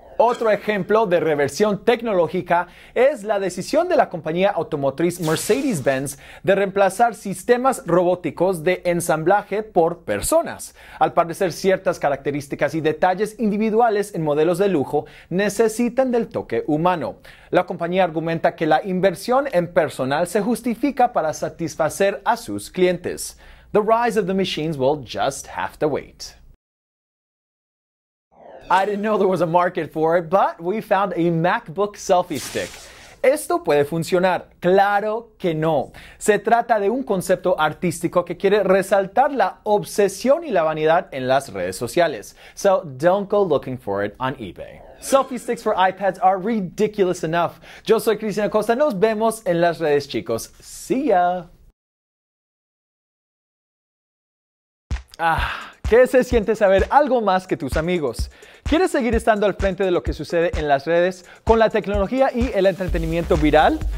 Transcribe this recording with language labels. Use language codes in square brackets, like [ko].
[es] Otro ejemplo de reversión tecnológica es la decisión de la compañía automotriz Mercedes-Benz de reemplazar sistemas robóticos de ensamblaje por personas. Al parecer, ciertas características y detalles individuales en modelos de lujo necesitan del toque humano. La compañía argumenta que la inversión en personal se justifica para satisfacer a sus clientes. [en] The rise of the machines will just have to wait. I didn't know there was a market for it, but we found a MacBook selfie stick. [es] ¿Esto puede funcionar? ¡Claro que no! Se trata de un concepto artístico que quiere resaltar la obsesión y la vanidad en las redes sociales. [en] So, don't go looking for it on eBay. Selfie sticks for iPads are ridiculous enough. [es] Yo soy Cristian Acosta. Nos vemos en las redes, chicos. [en] ¡See ya! [es] Ah, ¿qué se siente saber algo más que tus amigos? ¿Quieres seguir estando al frente de lo que sucede en las redes con la tecnología y el entretenimiento viral?